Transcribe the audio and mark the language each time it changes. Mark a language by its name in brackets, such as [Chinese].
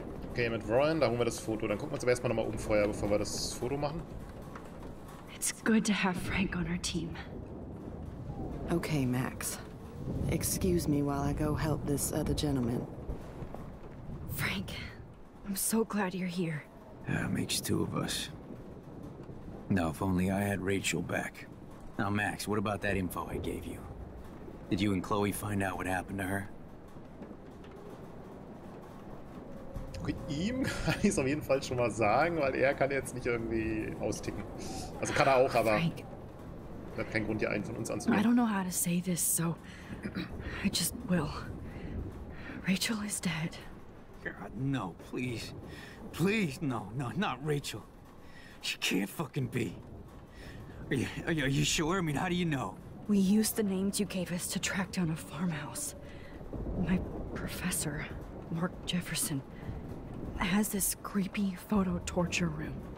[German] Okay, mit Ryan, da holen wir das Foto. Dann gucken wir uns aber erstmal nochmal um vorher, bevor wir das Foto machen. [English] It's good to have Frank on our team. Okay, Max. Excuse me while I go help this other gentleman. Frank, I'm so glad you're here. Yeah, makes two of us. Now, if only I had Rachel back. Now, Max, what about that info I gave you? Did you and Chloe find out what happened to her? [German] Ihm kann ich es auf jeden Fall schon mal sagen, weil er kann jetzt nicht irgendwie austicken. Also kann er auch, aber Frank, hat keinen Grund, hier einen von uns anzunehmen. [English] I don't know how to say this, so I just will. Rachel is dead. God, no, please. Please, no, no, not Rachel. She can't fucking be. Are you sure? I mean, how do you know? We used the names you gave us to track down a farmhouse. My professor, Mark Jefferson, has this creepy photo torture room.